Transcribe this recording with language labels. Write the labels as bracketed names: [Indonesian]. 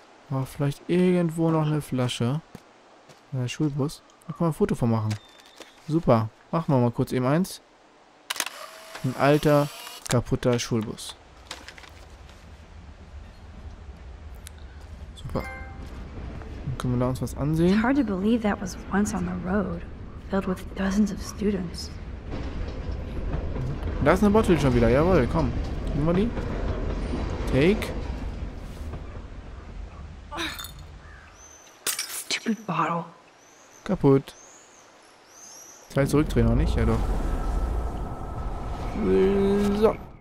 [German] Aber vielleicht irgendwo noch eine Flasche. Der Schulbus. Da kann man ein Foto von machen. Super. Machen wir mal kurz eben eins. Ein alter, kaputter Schulbus. Können wir da uns was ansehen? [English] It's hard to believe that was once on the road, filled with dozens of students. [German] Da ist eine Bottle schon wieder, jawohl, komm. Nimm mal die. [English] Take. Stupid bottle. [German] Kaputt. Zeit zurückdrehen, noch nicht? Ja doch. So.